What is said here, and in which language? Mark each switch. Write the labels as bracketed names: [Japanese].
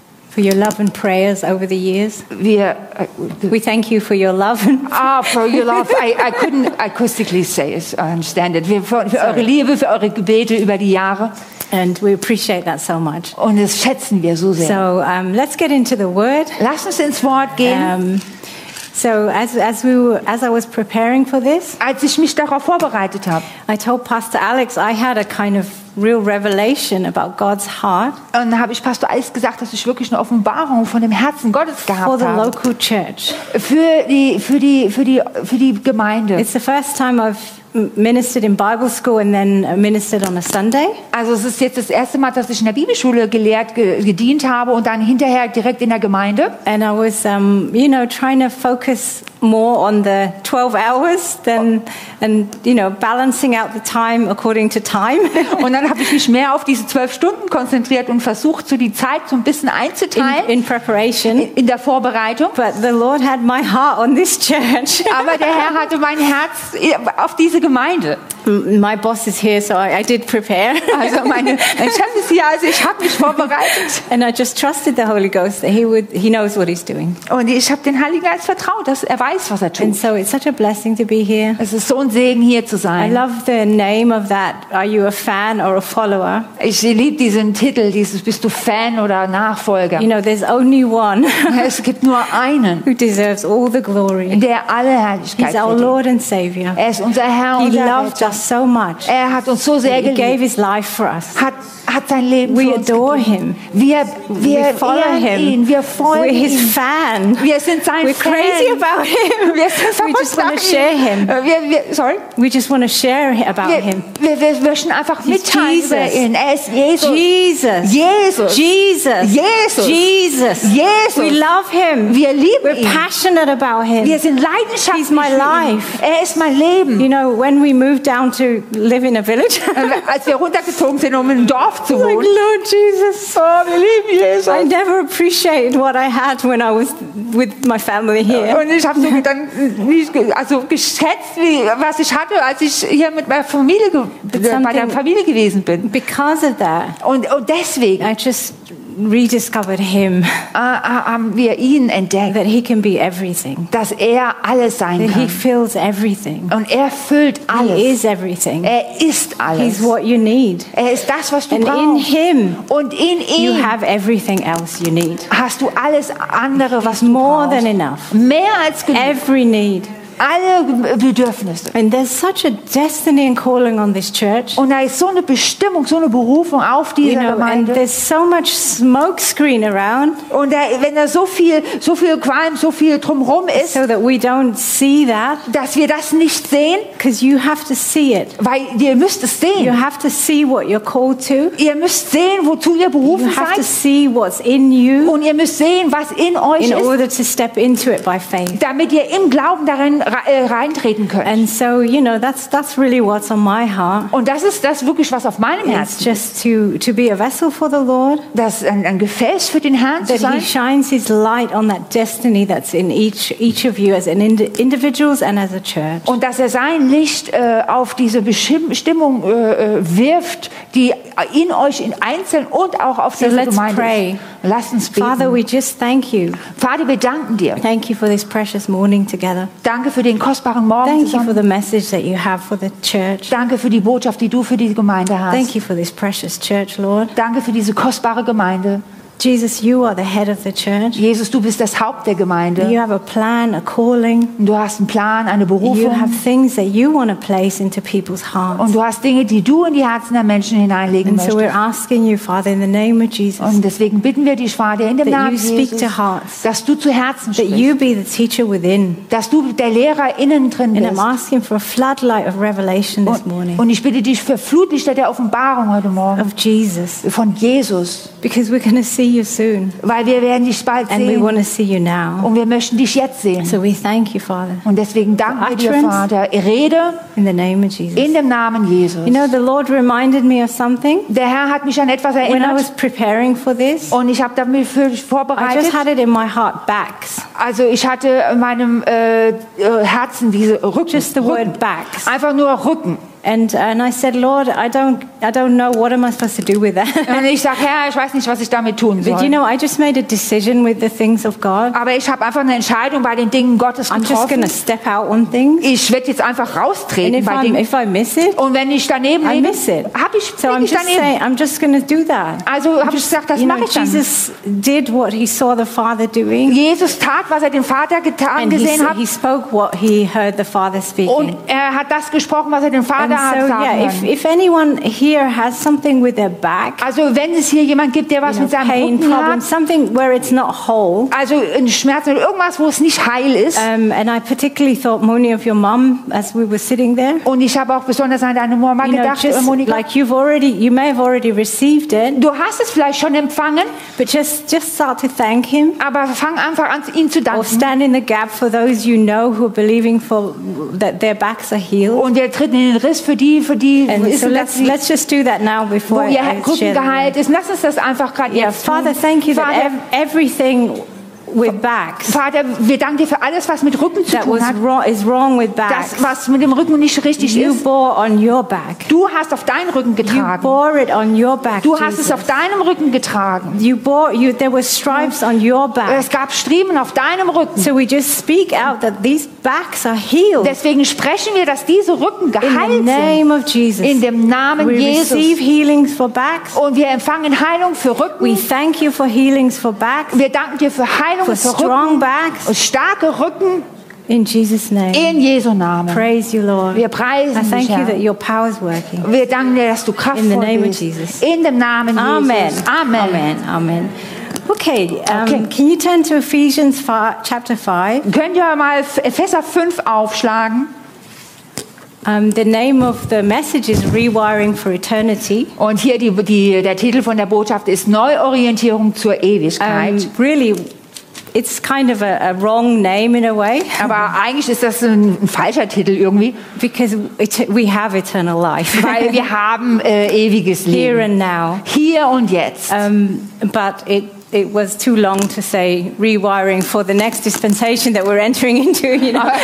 [English] for your love and prayers over the years. We thank you for your love. For your love. I couldn't acoustically say it. I understand it. [German] Für eure Liebe, für eure Gebete über die Jahre. [English] And we appreciate that so much. [German] Und das schätzen wir so sehr. [English] So let's get into the word. [German] Lass uns ins Wort gehen. [English] So as I was preparing for this, [German] als ich mich darauf vorbereitet habe, [English] I told Pastor Alex I had a kind of real revelation about God's heart. [German] Und da habe ich Pastor Alex gesagt, dass ich wirklich eine Offenbarung von dem Herzen Gottes gehabt habe. [English] For the local church. [German] Für die Gemeinde. [English] It's the first time I've ministered in Bible school and then ministered on a Sunday. [German] Also es ist jetzt das erste Mal, dass ich in der Bibelschule gedient habe und dann hinterher direkt in der Gemeinde. [English] And I was, you know, trying to focus more on the 12 hours than and you know balancing out the time according to time. [German] Und dann habe ich mich mehr auf diese 12 Stunden konzentriert und versucht so die Zeit so ein bisschen einzuteilen [English] in preparation [German] in der Vorbereitung. [English] But the Lord had my heart on this church. [German] Aber der Herr hatte mein Herz auf diese Gemeinde. [English] My boss is here, so I did prepare. [German] Also mein Chef ist hier, also ich habe mich vorbereitet. [English] And I just trusted the Holy Ghost that he knows what he's doing. [German] Und ich habe den Heiligen Geist vertraut, dass er weiß, was er tut. [English] And so it's such a blessing to be here. [German] Es ist so ein Segen hier zu sein. [English] I love the name of that. Are you a fan or a follower? [German] Ich liebe diesen Titel, dieses bist du Fan oder Nachfolger? [English] You know, there's only one. [German] Es gibt nur einen. [English] Who deserves all the glory? [German] Der alle Herrlichkeit. [English] He's our Lord and Savior. [German] Er ist unser Herr und Retter. [English] Us so much. [German] Er hat uns so sehr geliebt. [English] He gave his life for us. [German] Hat sein Leben [English] we [German] für uns [English] adore [German] gegeben. [English] Him. [German] Wir [English] follow him. [German] Ihn. Wir folgen [English] We're his [German] ihn. [English] Fan. [German] Wir sind sein [English] We're [German] Fan. [English] Crazy about him. [German] Wir [English] just want to share him. We just want to share about him. [German] Wir möchten einfach mitteilen über ihn. Er ist Jesus. Jesus. Jesus. Jesus. Jesus. Jesus. Jesus. [English] We love him. [German] Wir lieben [English] We're [German] ihn. [English] We're passionate about him. [German] Wir sind leidenschaftlich [English] He's my life. [German] Er ist mein Leben. [English] You know, when we moved down to live in a village. [German] Als wir runtergezogen sind, um in ein Dorf zu wohnen. [English] Like, Lord Jesus. [German] Oh, wir lieben Jesus. [English] I never appreciated what I had when I was with my family here. [German] Und ich habe so dann nicht also geschätzt, wie, was ich hatte, als ich hier mit meiner Familie bei der Familie gewesen bin. [English] Because of that. [German] Und deswegen. [English] I just rediscovered him. [German] Wir ihn entdeckt. [English] That he can be everything. [German] Dass er alles sein [English] that [German] kann. [English] He fills everything. [German] Und er füllt alles. [English] He is everything. [German] Er ist alles. [English] He's what you need. [German] Er ist das, was du [English] and [German] brauchst. [English] In him. [German] Und in ihm. [English] You have everything else you need. [German] Hast du alles andere, was [English] more [German] du brauchst. [English] Than enough. [German] Mehr als genug. [English] Every need. [German] Alle Bedürfnisse. [English] And there's such a destiny and calling on this church. [German] Und da ist so eine Bestimmung, so eine Berufung auf dieser [English] you know, [German] Gemeinde. [English] And there's so much smoke screen around. [German] Und da, wenn da so viel Qualm, so viel drumherum ist, [English] so that we don't see that, [German] dass wir das nicht sehen, [English] because you have to see it. [German] Weil ihr müsst es sehen. [English] You have to see what you're called to. [German] Ihr müsst sehen, wozu ihr berufen seid. [English] You have to see what's in you. [German] Und ihr müsst sehen, was in euch [English] in [German] ist. [English] In order to step into it by faith. [German] Damit ihr im Glauben darin reintreten können. [English] And so, you know, that's really what's on my heart. [German] Und das ist das wirklich was auf meinem Herzen. [English] It's just to be a vessel for the Lord. [German] Das ein Gefäß für den Herrn [English] that [German] zu sein. [English] That he shines his light on that destiny that's in each of you as an individuals and as a church. [German] Und dass er sein Licht auf diese Bestimmung wirft, die in euch in einzeln und auch auf [English] so [German] diese Gemeinde. [English] Pray. [German] Lass uns beten. [English] Father, we just thank you. [German] Vater, wir danken dir. [English] Thank you for this precious morning together. [German] Danke für den kostbaren Morgen [English] Thank [German] zusammen. [English] You for the message that you have for the church. [German] Danke für die Botschaft, die du für die Gemeinde hast. [English] Thank you for this precious church, Lord. [German] Danke für diese kostbare Gemeinde. [English] Jesus, you are the head of the church. [German] Jesus, du bist das Haupt der Gemeinde. [English] You have a plan, a calling. [German] Du hast einen Plan, eine Berufung. [English] You have things that you want to place into people's hearts. [German] Und du hast Dinge, die du in die Herzen der Menschen hineinlegen [English] And [German] möchtest. [English] So we're asking you, Father, in the name of Jesus. [German] Und deswegen bitten wir dich, Vater, in dem [English] that [German] Namen [English] you speak [German] Jesus, [English] to hearts. [German] Dass du zu Herzen sprichst. [English] That you be the teacher within. [German] Dass du der Lehrer innen drin [English] And [German] bist. [English] I'm asking for a floodlight of revelation this morning. [German] Und ich bitte dich für Flutlicht der Offenbarung heute Morgen. [English] Of Jesus. [German] Von Jesus. [English] Because we're going to see you soon. [German] Weil wir werden dich bald sehen. [English] And we want to see you now. [German] Und wir möchten dich jetzt sehen. [English] So we thank you, Father. [German] Und deswegen danken wir dir, Vater. Rede [English] in the name of Jesus. [German] In dem Namen Jesus. [English] You know, the Lord reminded me of something. [German] Der Herr hat mich an etwas erinnert. [English] When I was preparing for this. [German] Und ich habe damit für mich vorbereitet. [English] I just had it in my heart backs. [German] Also ich hatte in meinem Herzen diese Rücken. [English] Just the word backs. [German] Einfach nur Rücken. [English] And I said, Lord, I don't know what am I supposed to do with that. [German] Und ich sag, Herr, ich weiß nicht, was ich damit tun soll. [English] But you know, I just made a decision with the things of God. [German] Aber ich habe einfach eine Entscheidung bei den Dingen Gottes getroffen. [English] I'm just gonna step out on things. [German] Ich werde jetzt einfach raustreten bei Dingen. [English] If I miss it, [German] und wenn ich daneben [English] I miss it. [German] Hab ich [English] so I'm just [German] daneben. [English] Saying, I'm just gonna do that. [German] Also habe ich gesagt, das [English] you [German] mache [English] know, [German] ich [English] Jesus [German] dann. [English] Did what he saw the Father doing. [German] Jesus tat, was er den Vater getan [English] And [German] gesehen hat. [English] He spoke what he heard the Father speaking. [German] Und er hat das gesprochen, was er den Vater [English] And [German] Vater hat sagen. [English] Yeah, if anyone here has something with their back, [German] also wenn es hier jemand gibt, der was mit seinem [English] pain [German] Rücken [English] problem, [German] hat, [English] something where it's not whole, [German] also ein Schmerz oder irgendwas, wo es nicht heil ist. [English] And I particularly thought, Moni, of your mom as we were sitting there. [German] Und ich habe auch besonders an deine Mama gedacht, [English] just, [German] Monika. [English] Like you may have already received it. [German] Du hast es vielleicht schon empfangen. [English] But just start to thank him. [German] Aber fang einfach an, ihm zu danken. [English] Or stand in the gap for those you know who are believing for that their backs are healed. [German] Und er tritt in den Riss für die. [English] And so let's just do that now before I share. [German] Ist. Lass uns das einfach gerade jetzt tun. [English] Father, thank you that everything with backs. [German] Vater, wir danken dir für alles, was mit Rücken zu tun hat. [English] Is wrong with backs. [German] Das, was mit dem Rücken nicht richtig [English] you [German] ist. [English] Bore on your back. [German] Du hast auf deinen Rücken getragen. [English] You bore it on your back, [German] du hast es auf deinem Rücken getragen. [English] There were stripes on your back. [German] Es gab Striemen auf deinem Rücken. [English] So we just speak out that these backs are healed. [German] Deswegen sprechen wir, dass diese Rücken geheilt sind. [English] In the name of Jesus. [German] In dem Namen [English] we [German] Jesus. [English] Receive healings for backs. [German] Und wir empfangen Heilung für Rücken. [English] We thank you for healings for backs. [German] Wir danken dir für Heilung [English] for strong backs, [German] und starke Rücken, [English] in Jesus' name. [German] In Jesu Namen. [English] Praise you, Lord. [German] Wir preisen dich. [English] I thank [German] dich, [English] you that your power is working. [German] Wir danken dir, dass du kraftvoll bist. [English] In the name of Jesus. [German] In dem Namen Jesus. [English] Amen. [German] Amen. [English] Amen. Amen. Okay, can you turn to Ephesians 5, chapter 5? [German] Könnt ihr mal Epheser 5 aufschlagen? [English] The name of the message is Rewiring for Eternity. [German] Und hier der Titel von der Botschaft ist Neuorientierung zur Ewigkeit. [English] Really. It's kind of a wrong name in a way. [German] Aber eigentlich ist das ein falscher Titel irgendwie. [English] Because we have eternal life. [German] Weil wir haben ewiges Leben. [English] Here and now. [German] Hier und jetzt. [English] But it was too long to say rewiring for the next dispensation that we're entering into, you know.